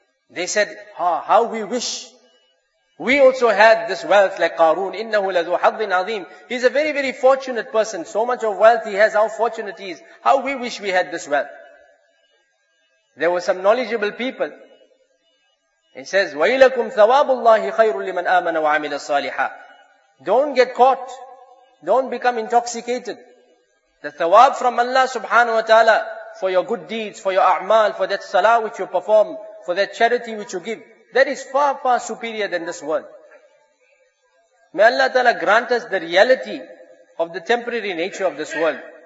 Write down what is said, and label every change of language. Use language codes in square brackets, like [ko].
[en] They said, how we wish we also had this wealth like Qarun. [ar] إِنَّهُ لَذُو حَظٍ عَظِيمٍ. [en] He's a very, very fortunate person. So much of wealth he has, how fortunate he is. How we wish we had this wealth. There were some knowledgeable people. He says, [ar] وَيْلَكُمْ ثَوَابُ اللَّهِ خَيْرٌ لِمَنْ آمَنَ وَعَمِلَ الصَّالِحَةِ. [en] Don't get caught. Don't become intoxicated. The thawab from Allah subhanahu wa ta'ala for your good deeds, for your a'mal, for that salah which you perform, for that charity which you give, that is far, far superior than this world. May Allah Ta'ala grant us the reality of the temporary nature of this world.